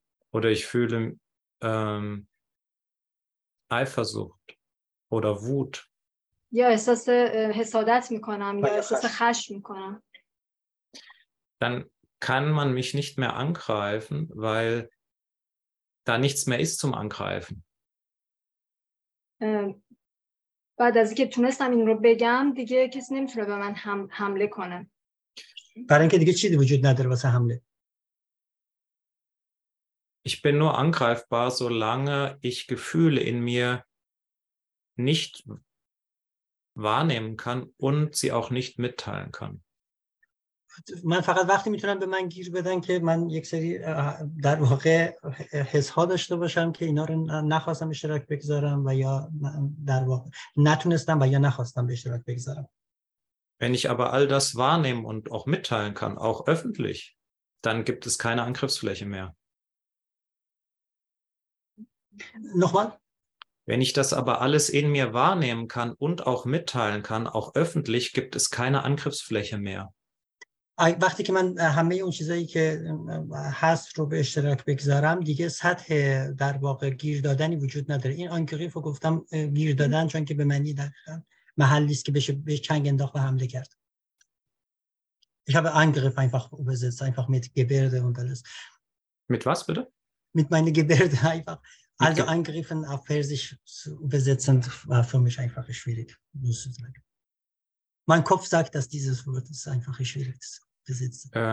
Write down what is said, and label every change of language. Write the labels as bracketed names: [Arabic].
[German] Oder ich fühle Eifersucht oder Wut. Ja, [Persian] احساس حسادت میکنم یا احساس خشم میکنم. [German] Dann kann man mich nicht mehr angreifen, weil da nichts mehr ist zum Angreifen. [Persian] بعد از اینکه تونستم این رو بگم دیگه کسی نمیتونه به من حمله کنه. برای اینکه دیگه چیزی وجود نداره واسه حمله. [German] Ich bin nur angreifbar, solange ich Gefühle in mir nicht wahrnehmen kann und sie auch nicht mitteilen kann. [Persian] من فقط وقتی میتونم به من گیر بدن که من یک سری در واقع حس ها داشته باشم که اینا رو نخواستم به اشتراک بگذارم و یا در واقع نتونستم و یا نخواستم به اشتراک بگذارم. [German] Wenn ich aber all das wahrnehmen und auch mitteilen kann, auch öffentlich, dann gibt es keine Angriffsfläche mehr. Nochmal. Wenn ich das aber alles in mir wahrnehmen kann und auch mitteilen kann, auch öffentlich, gibt es keine Angriffsfläche mehr. [Persian] وقتی که من همه اون چیزایی که هست رو به اشتراک بگذارم دیگه سطح در واقع گیر دادنی وجود نداره. این آنکریف رو گفتم گیر دادن چون که به معنی محلی است که بشه به چنگ انداخت و حمله کرد. [German] Ich habe Angriff einfach übersetzt, einfach mit Gebärde und alles. Mit was bitte? Mit meiner Gebärde einfach. Also Angriffen auf Persisch zu übersetzen war für mich einfach schwierig, muss ich sagen. Mein Kopf sagt, dass dieses Wort ist einfach schwierig zu besitzen.